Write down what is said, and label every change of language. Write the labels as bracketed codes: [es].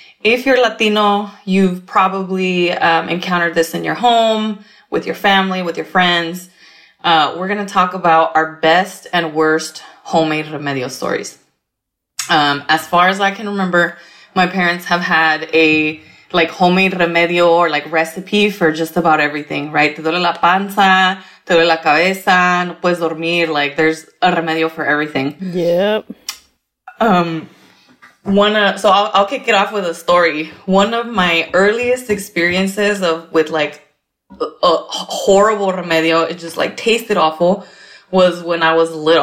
[en] If you're Latino, you've probably encountered this in your home, with your family, with your friends. We're going to talk about our best and worst homemade remedio stories. As far as I can remember, my parents have had a like homemade remedio or like recipe for just about everything, right? [es] Te duele la panza, te duele la cabeza, no puedes dormir. [en] Like there's a remedio for everything. Yep. So I'll kick it off with a story. One of my earliest experiences with like a horrible remedio, it just like tasted awful, was when I was little.